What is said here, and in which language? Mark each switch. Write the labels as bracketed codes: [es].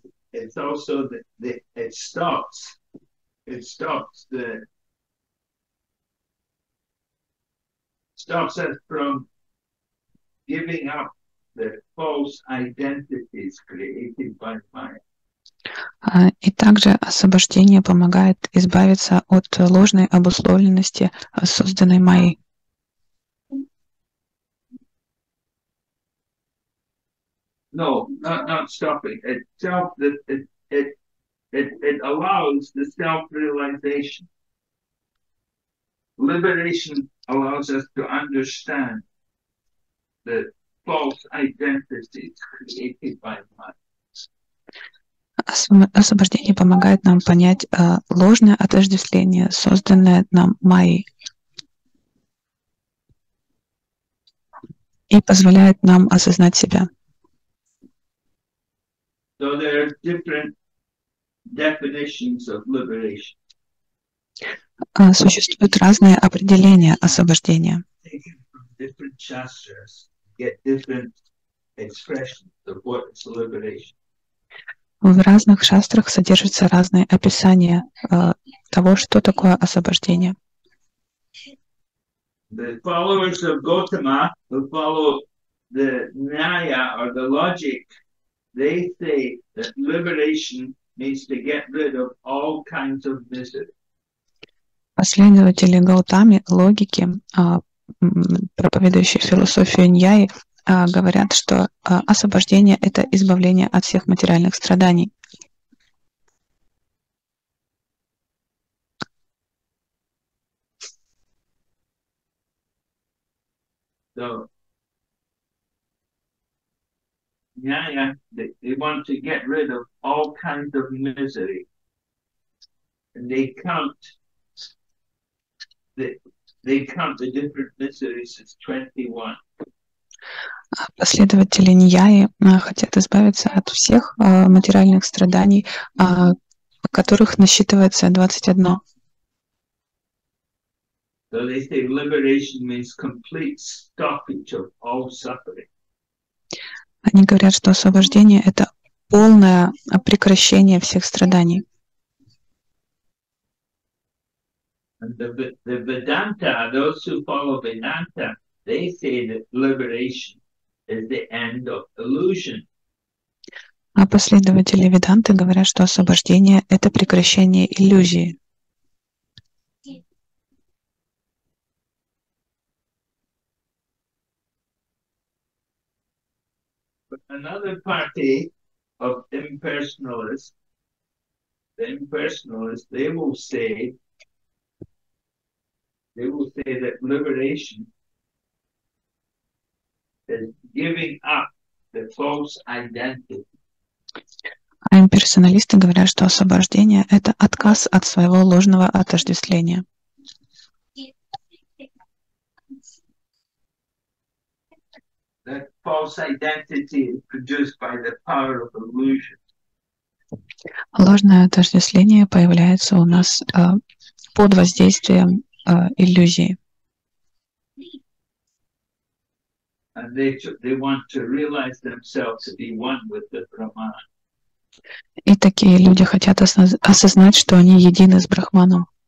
[en] It's also the it stops us from giving up the false identities created by mind. [ru] И также освобождение помогает избавиться от ложной обусловленности, созданной Майей. [en] No, not stopping. It allows the self-realization. Liberation allows us to understand the false identities created by mind. [ru] Освобождение помогает нам понять ложное отождествление, созданное нам Майей. И позволяет нам осознать себя. [en] So there are different definitions of liberation. [ru] Существуют разные определения освобождения. [en] Different chapters get different expressions of what is liberation. [ru] В разных шастрах содержатся разные описания того, что такое освобождение. [en] The followers of Gautama, who follow the Nyaya or the logic, they say that liberation means to get rid of all kinds of misery. [ru] Последователи Гаутами, логики, проповедующие философию Ньяи, говорят, что освобождение — это избавление от всех материальных страданий. [en] So, yeah, they want to get rid of all kinds of misery. And they count the different miseries as 21. [ru] Последователи Ньяи хотят избавиться от всех материальных страданий, которых насчитывается 21. [en] So they say liberation means complete stoppage of all suffering. [ru] Они говорят, что освобождение — это полное прекращение всех страданий. [en] And the Vedanta, those who follow Vedanta, they say that liberation is the end of illusion. [ru] А последователи Веданты говорят, что освобождение — это прекращение иллюзии. [en] Another party of impersonalists, they will say that liberation giving up the false identity. [ru] А имперсоналисты говорят, что освобождение — это отказ от своего ложного отождествления. [en] That false identity is produced by the power of illusion. [ru] Ложное отождествление появляется у нас под воздействием иллюзии. [en] And they want to realize themselves to be one with the Brahman. [ru] И такие люди хотят осознать, что они едины с Брахманом.